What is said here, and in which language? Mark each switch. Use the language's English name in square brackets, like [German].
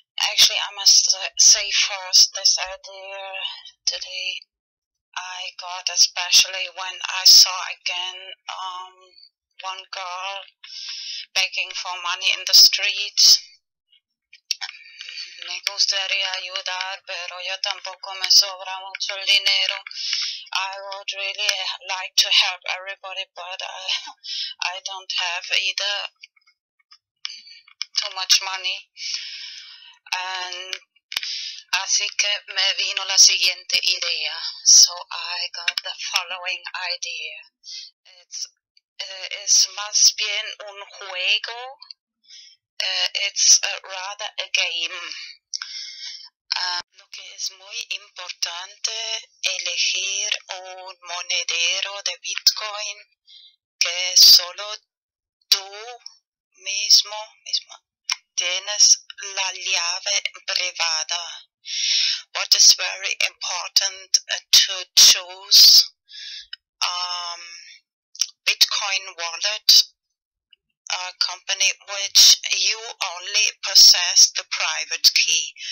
[English] Actually, I must say first this idea today I got, especially when I saw again one girl begging for money in the streets. [Spanish] Me gustaría ayudar, pero yo tampoco me sobra mucho el dinero. [English] I would really like to help everybody, but I don't have either too much money. [Spanish] And así que me vino la siguiente idea. [English] So I got the following idea. It's [Spanish] más bien un juego. [English] It's rather a game. [Spanish] Lo que es muy importante, elegir un monedero de Bitcoin que solo tú mismo tienes la llave privada. [English] What is very important to choose Bitcoin wallet, a company which you only possess the private key.